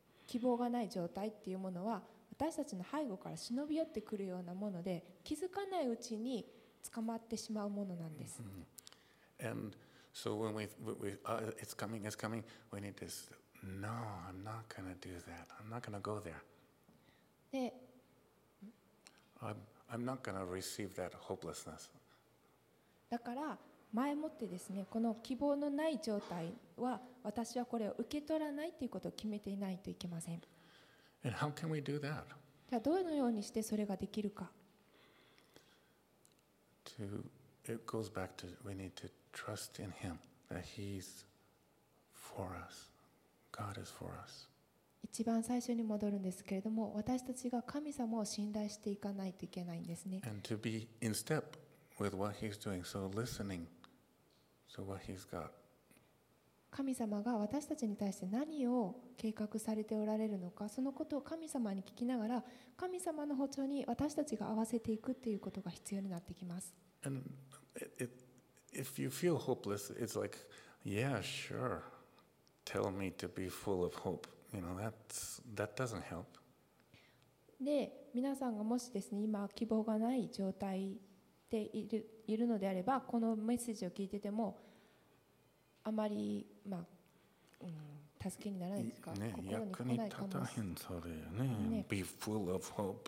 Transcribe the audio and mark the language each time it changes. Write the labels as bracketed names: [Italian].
[Japanese] 希望がない状態っていうものは私たちの背後から忍び寄ってくるようなもので気づかないうちに捕まってしまうものなんです。 Mm-hmm. [English] And so when it's coming, we need this. No, I'm not gonna do that. I'm not gonna go there. [Japanese] で、 [English] I'm not gonna receive that hopelessness. [Japanese] だから前もってですね、この希望のない状態は私はこれを受け取らないということを決めていないといけません。 [English] And how can we do that? [Japanese] じゃあどのようにしてそれができるか。 [English] It goes back to we need to trust in Him that He's for us. God is for us. [Japanese] 一番最初に戻るんですけれども、私たちが神様を信頼していかないといけないんですね。 [English] And to be in step with what He's doing, so listening, so what He's got. [Japanese] 神様が私たちに対して何を計画されておられるのか、そのことを神様に聞きながら、神様の歩調に私たちが合わせていくということが必要になってきます。 [English] And if you feel hopeless, it's like, yeah, sure, tell me to be full of hope. You know, that doesn't help. [Japanese] で、皆さんがもしですね、今希望がない状態でいるのであれば、このメッセージを聞いてても、あまり、まあ、助けにならないですか、ね、心に来ないかも。役に立たへんそれ ね。 [English] Be full of hope.